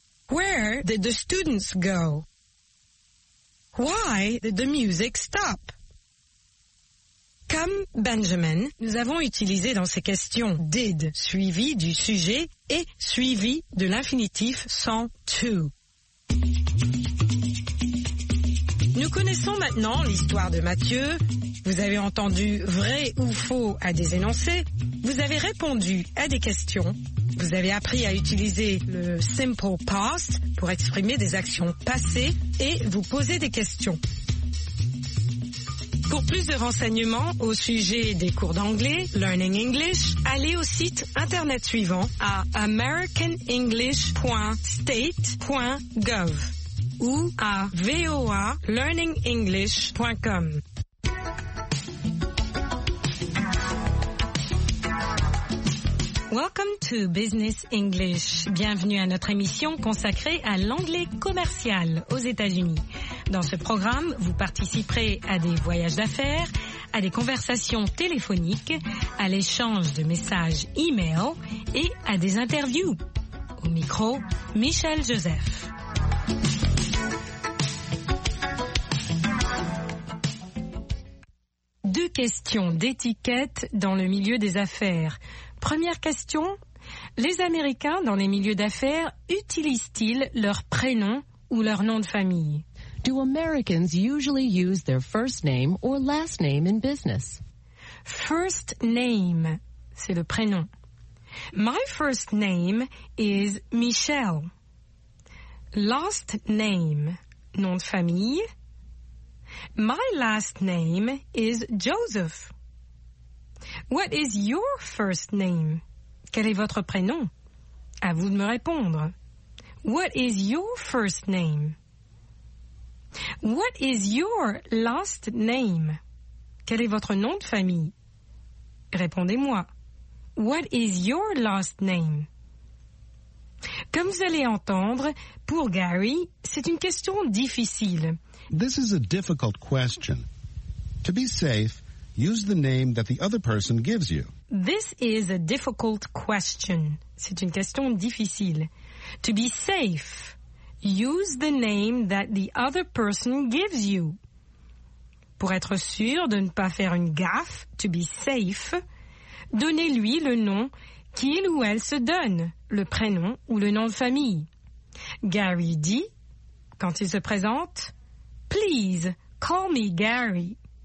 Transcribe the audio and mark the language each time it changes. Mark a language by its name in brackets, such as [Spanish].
[English] Where did the students go? Why did the music stop? [French] Comme Benjamin, nous avons utilisé dans ces questions did suivi du sujet et suivi de l'infinitif sans to. Nous connaissons maintenant l'histoire de Mathieu. Vous avez entendu vrai ou faux à des énoncés. Vous avez répondu à des questions. Vous avez appris à utiliser le simple past pour exprimer des actions passées et vous poser des questions. Pour plus de renseignements au sujet des cours d'anglais, Learning English, allez au site internet suivant à americanenglish.state.gov ou à voalearningenglish.com. [English] Welcome to Business English. [French] Bienvenue à notre émission consacrée à l'anglais commercial aux États-Unis. Dans ce programme, vous participerez à des voyages d'affaires, à des conversations téléphoniques, à l'échange de messages e-mail et à des interviews. Au micro, Michel Joseph. Deux questions d'étiquette dans le milieu des affaires. Première question, les Américains dans les milieux d'affaires utilisent-ils leur prénom ou leur nom de famille? [English] Do Americans usually use their first name or last name in business? First name, [French] c'est le prénom. [English] My first name is Michel. [French] Last name, nom de famille. [English] My last name is Joseph. What is your first name? [French] Quel est votre prénom? À vous de me répondre. [English] What is your first name? What is your last name? [French] Quel est votre nom de famille? Répondez-moi. [English] What is your last name? [French] Comme vous allez entendre, pour Gary, c'est une question difficile. [English] This is a difficult question. To be safe, use the name that the other person gives you. This is a difficult question. [French] C'est une question difficile. [English] To be safe, use the name that the other person gives you. [French] Pour être sûr de ne pas faire une gaffe, [English] to be safe, [French] donnez-lui le nom qu'il ou elle se donne, le prénom ou le nom de famille. Gary dit, quand il se présente, [English] please call me Gary.